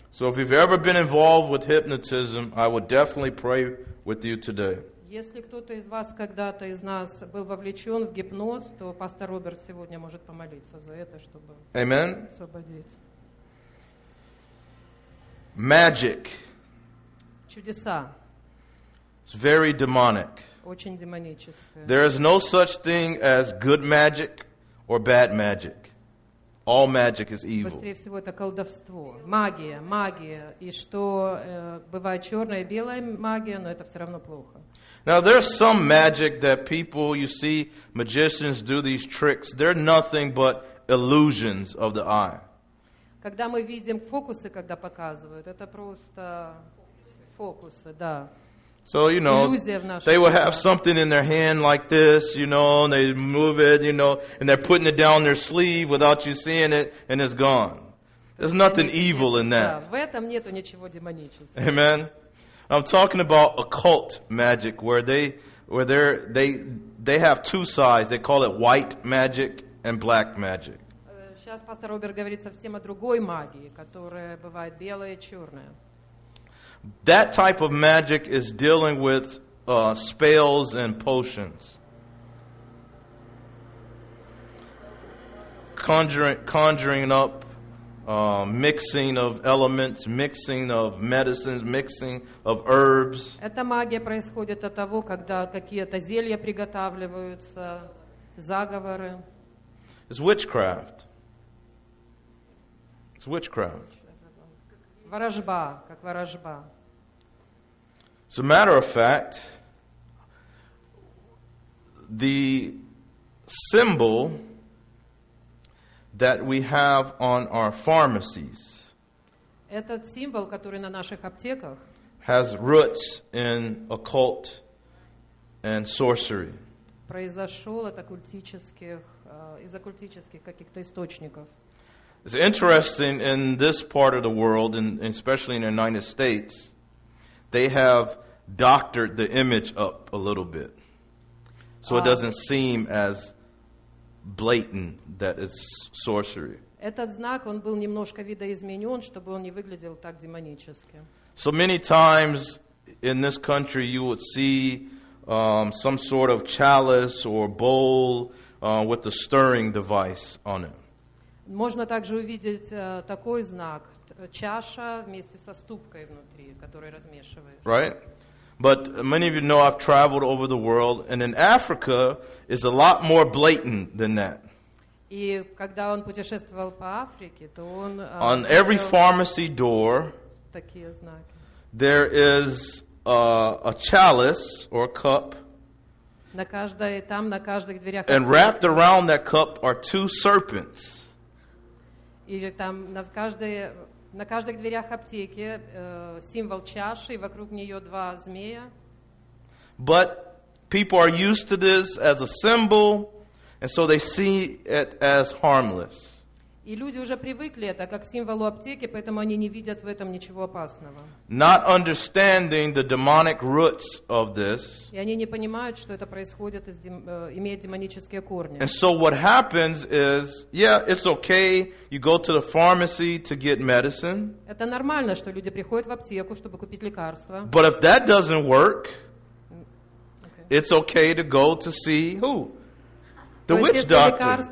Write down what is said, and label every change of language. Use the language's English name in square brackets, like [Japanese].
[English] So if you've ever been involved with hypnotism, I would definitely pray with you today. [Russian] Если кто-то из вас когда-то из нас был вовлечен в гипноз, то пастор Роберт сегодня может помолиться за это, чтобы [English] Amen. [Russian] Освободить. [English] Magic. [Russian] Чудеса. [English] It's very demonic. [Russian] Очень демоническое. [English] There is no such thing as good magic or bad magic. All magic is evil. [Russian] Быстрее всего это колдовство. Магия, магия. И что бывает черная и белая магия, но это все равно плохо. [English] Now there's some magic that people, you see, magicians do these tricks. They're nothing but illusions of the eye. [Russian] Когда мы видим фокусы, когда показывают, это просто фокусы, да. [English] So, you know, they will have something in their hand like this, you know, and they move it, you know, and they're putting it down their sleeve without you seeing it, and it's gone. There's nothing evil in that. [Russian] В этом нету ничего демонического. [English] Amen. I'm talking about occult magic, where they have two sides. They call it white magic and black magic. [Russian] Сейчас пастор Робер говорит совсем о другой магии, которая бывает белая и черная. [English] That type of magic is dealing with spells and potions. Conjuring up, mixing of elements, mixing of medicines, mixing of herbs. [Russian] Эта магия происходит от того, когда какие-то зелья приготавливаются, заговоры. [English] It's witchcraft. It's witchcraft. [Russian] Ворожба, как ворожба. [English] As a matter of fact, the symbol that we have on our pharmacies, [Russian] этот символ, который на наших аптеках, [English] has roots in occult and sorcery. [Russian] Произошел это культических, из оккультических каких-то источников. [English] It's interesting in this part of the world, and especially in the United States, they have doctored the image up a little bit. So it doesn't seem as blatant that it's sorcery. [Russian] Этот знак, он был немножко видоизменен, чтобы он не выглядел так демонически. [English] So many times in this country you would see some sort of chalice or bowl with the stirring device on it. [Russian] Можно также увидеть такой знак, чаша вместе со ступкой внутри, которую размешиваешь. [English] Right? But many of you know I've traveled over the world, and in Africa is a lot more blatant than that. [Russian] И когда он путешествовал по Африке, то он [English] on every pharmacy door [Russian] такие знаки. [English] There is a chalice or a cup. [Russian] На каждой там на каждых дверях. [English] And wrapped around that cup are two serpents. [Russian] И там на каждой На каждых дверях аптеки символ чаши, и вокруг нее два змея. [English] But people are used to this as a symbol, and so they see it as harmless. [Russian] И люди уже привыкли это как к символу аптеки, поэтому они не видят в этом ничего опасного. [English] Not understanding the demonic roots of this. [Russian] И они не понимают, что это происходит, имеет демонические корни. [English] And so what happens is, yeah, it's okay, you go to the pharmacy to get medicine. [Russian] Это нормально, что люди приходят в аптеку, чтобы купить лекарства. [English] But if that doesn't work, it's okay to go to see who? The witch doctor.